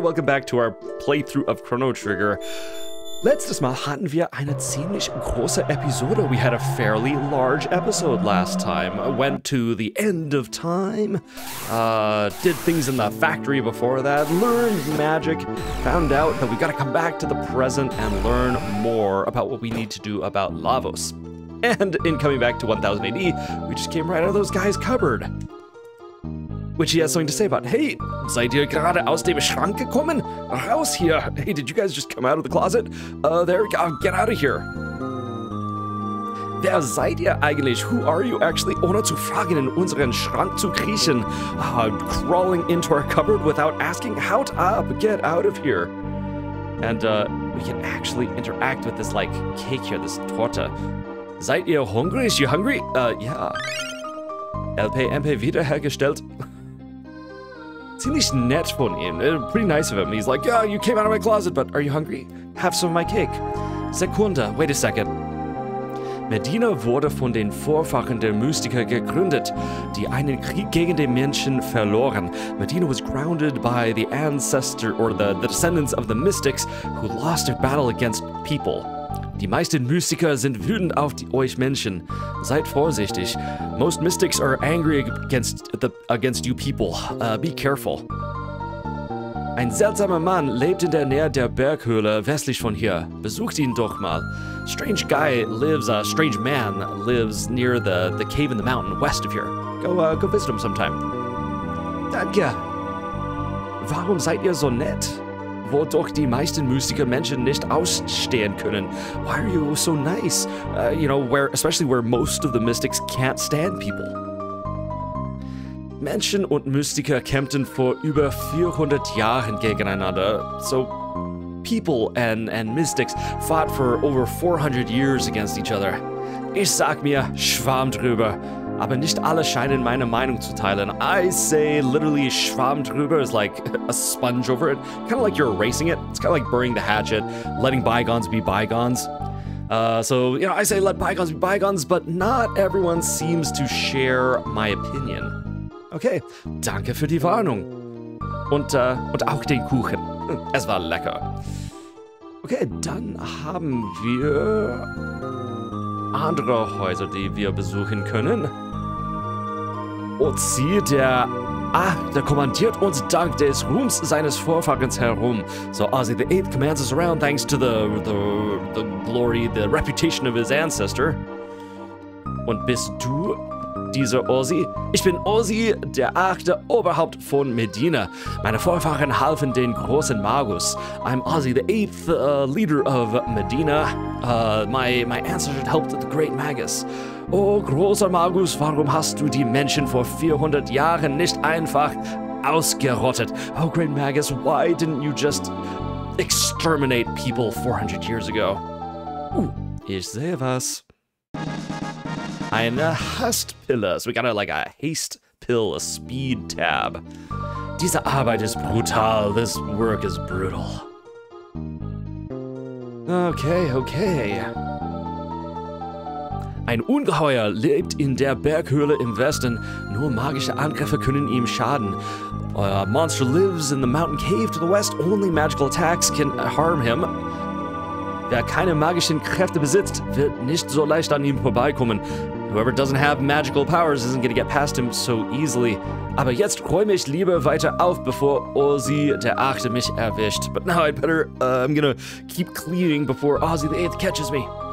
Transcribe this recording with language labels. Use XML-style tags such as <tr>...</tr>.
<en>Welcome back to our playthrough of Chrono Trigger.</en> <de>Letztes Mal hatten wir eine ziemlich große Episode.</de> <en>We had a fairly large episode last time. Went to the end of time. Did things in the factory before that. Learned magic. Found out that we've got to come back to the present and learn more about what we need to do about Lavos. And in coming back to 1000 AD, we just came right out of those guys' cupboard. Which he has something to say about.</en> <de>Hey, seid ihr gerade aus dem Schrank gekommen? Raus hier.</de> <en>Hey, did you guys just come out of the closet? There, get out of here.</en> <de>Wer seid ihr eigentlich?</de> <en>Who are you actually?</en> <de>Ohne zu fragen in unseren Schrank zu kriechen.</de> <en>Crawling into our cupboard without asking.</en> <de>Haut ab,</de> <en>get out of here. And we can actually interact with this, like, cake here, this torta.</en> <de>Seid ihr</de> <en>hungry? Is you hungry? Yeah.</en> <de>LP MP wiederhergestellt. Ziemlich nett von ihm.</de> <en>Pretty nice of him. He's like, yeah, you came out of my closet, but are you hungry? Have some of my cake.</en> <de>Sekunde,</de> <en>wait a second.</en> <de>Medina wurde von den Vorfahren der Mystiker gegründet, die einen Krieg gegen die Menschen verloren.</de> <en>Medina was grounded by the ancestor or the descendants of the mystics who lost a battle against people.</en> <de>Die meisten Mystiker sind wütend auf euch Menschen. Seid vorsichtig.</de> <en>Most mystics are angry against you people. Be careful.</en> <de>Ein seltsamer Mann lebt in der Nähe der Berghöhle westlich von hier. Besucht ihn doch mal.</de> <en>Strange guy lives, a strange man lives near the cave in the mountain west of here. Go visit him sometime.</en> <de>Danke. Warum seid ihr so nett? Wodurch die meisten Mystiker Menschen nicht ausstehen können.</de> <en>Why are you so nice? You know, especially where most of the mystics can't stand people.</en> <de>Menschen und Mystiker kämpften vor über 400 Jahren gegeneinander.</de> <en>So, people and mystics fought for over 400 years against each other.</en> <de>Ich sag mir, schwamm drüber. Aber nicht alle scheinen meine Meinung zu teilen.</de> <en>I say literally</en> <de>schwamm drüber</de> <en>is like a sponge over it. Kind of like you're erasing it. It's kind of like burying the hatchet, letting bygones be bygones. So, you know, I say let bygones be bygones, but not everyone seems to share my opinion.</en> <de>Okay, danke für die Warnung. Und auch den Kuchen. Es war lecker. Okay, dann haben wir andere Häuser, die wir besuchen können. Und sie, der... Ah, der kommandiert uns dank des Ruhms seines Vorfahrens herum.</de> <en>So, Ozzy, the 8th commands us around thanks to the glory, the reputation of his ancestor.</en> <de>Und bist du dieser Ozzy? Ich bin Ozzy, der 8. Oberhaupt von Medina. Meine Vorfahren halfen den großen Magus.</de> <en>I'm Ozzy, the 8th leader of Medina. My ancestor helped the great Magus.</en> <de>Oh, großer Magus, warum hast du die Menschen vor 400 Jahren nicht einfach ausgerottet?</de> <en>Oh, great Magus, why didn't you just exterminate people 400 years ago?</en> <de>Ich sehe was. Eine Hastpille.</de> <en>So we got like a haste pill, a speed tab.</en> <de>Diese Arbeit ist brutal.</de> <en>This work is brutal. Okay, okay.</en> <de>Ein Ungeheuer lebt in der Berghöhle im Westen. Nur magische Angriffe können ihm schaden.</de> <en>A monster lives in the mountain cave to the west. Only magical attacks can harm him.</en> <de>Wer keine magischen Kräfte besitzt, wird nicht so leicht an ihm vorbeikommen.</de> <en>Whoever doesn't have magical powers isn't going to get past him so easily.</en> <de>Aber jetzt räume ich lieber weiter auf, bevor Ozzy der 8. mich erwischt.</de> <en>But now I'm going to keep cleaning before Ozzy the 8th catches me.</en>